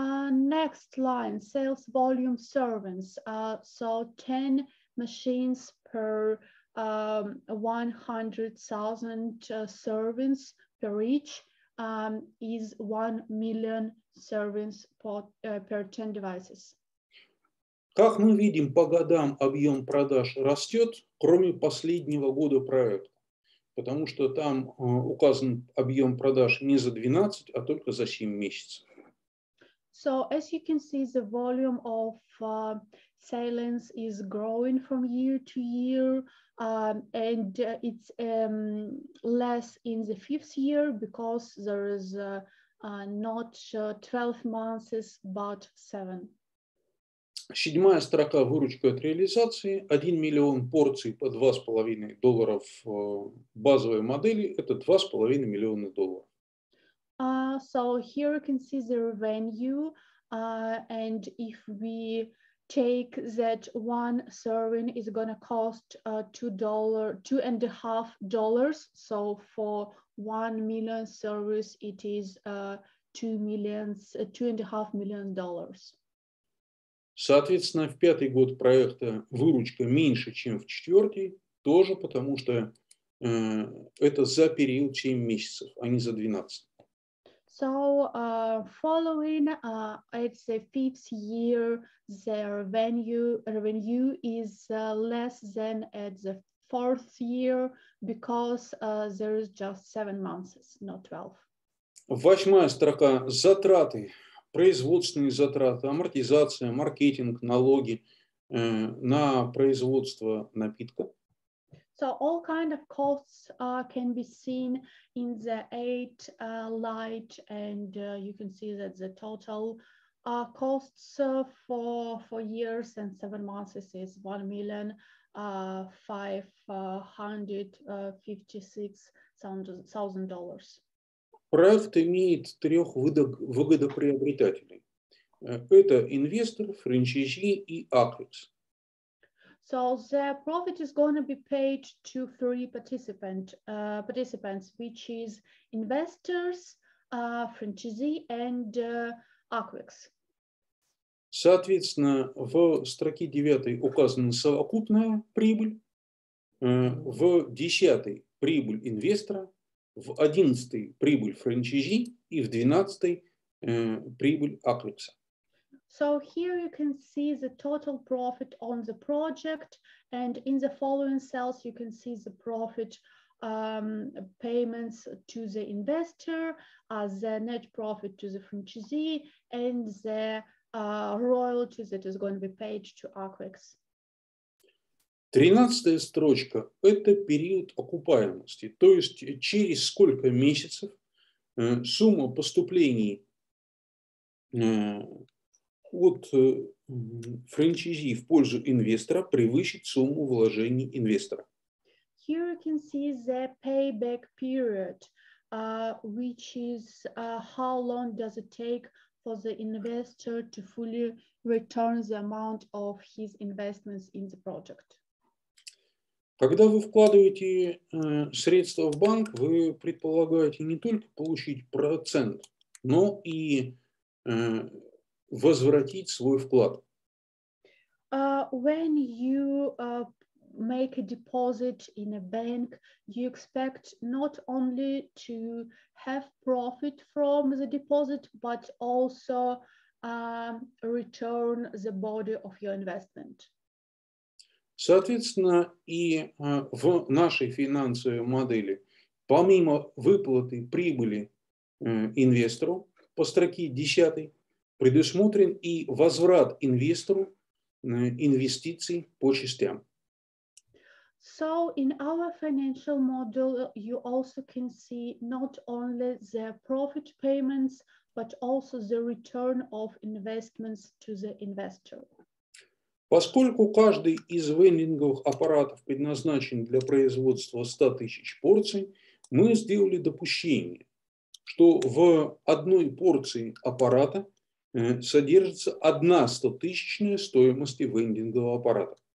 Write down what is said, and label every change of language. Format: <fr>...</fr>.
<en>Next line. Sales volume servings. So 10 machines per 100,000 servings per each is 1 million servings per 10 devices.</en> <ru>Как мы видим, по годам объем продаж растет, кроме последнего года проекта, потому что там указан объем продаж не за 12, а только за 7 месяцев.</ru> <en>So, as you can see, the volume of sales is growing from year to year, and it's less in the fifth year, because there is not 12 months, but 7.</en> <ru>Седьмая строка выручка от реализации. 1 миллион порций по $2.5 в базовой модели – это $2.5 миллиона.</ru> <en>So here you can see the revenue. And if we take that one serving is going to cost $2.5. So for 1 million service, it is $2.5 million.</en> <ru>Соответственно, в пятый год проекта выручка меньше, чем в четвертый, тоже потому что это за период 7 месяцев, а не за 12.</ru> <en>So, following at the fifth year, the revenue is less than at the fourth year, because there is just 7 months, not 12.</en> <ru>Восьмая строка – затраты. Производственные затраты, амортизация, маркетинг, налоги на производство напитка.</ru> <en>So all kind of costs can be seen in the eight light, and you can see that the total costs for years and 7 months is 1,556,000 dollars.</en> <ru>Проект имеет трех выгодоприобретателей. Это инвестор, франчайзи и Акрис.</ru> <en>So the profit is going to be paid to three participants, which is investors, franchisee and Acrix.</en> <ru>Соответственно, в строке 9 указана совокупная прибыль, в 10 прибыль инвестора, в 11 прибыль франчайзи и в 12 прибыль Акрикса.</ru> <en>So here you can see the total profit on the project, and in the following cells you can see the profit payments to the investor, the net profit to the franchisee, and the royalties that is going to be paid to Acrix.</en> <ru>13-я строчка – это период окупаемости, то есть через сколько месяцев сумма поступлений от франчайзи в пользу инвестора превысит сумму вложений инвестора.</ru> <en>Here you can see the payback period, which is how long does it take for the investor to fully return the amount of his investments in the project.</en> <ru>Когда вы вкладываете средства в банк, вы предполагаете не только получить процент, но и возвратить свой вклад.</ru> <en>When you make a deposit in a bank, you expect not only to have profit from the deposit, but also return the body of your investment.</en> <ru>Соответственно, и в нашей финансовой модели, помимо выплаты прибыли инвестору по строке 10, предусмотрен и возврат инвестору инвестиций по частям.</ru> <en>So in our financial model, you also can see not only the profit payments, but also the return of investments to the investor.</en> <ru>Поскольку каждый из вендинговых аппаратов предназначен для производства 100 тысяч порций, мы сделали допущение, что в одной порции аппарата содержится одна 100-тысячная стоимость вендингового аппарата.</ru>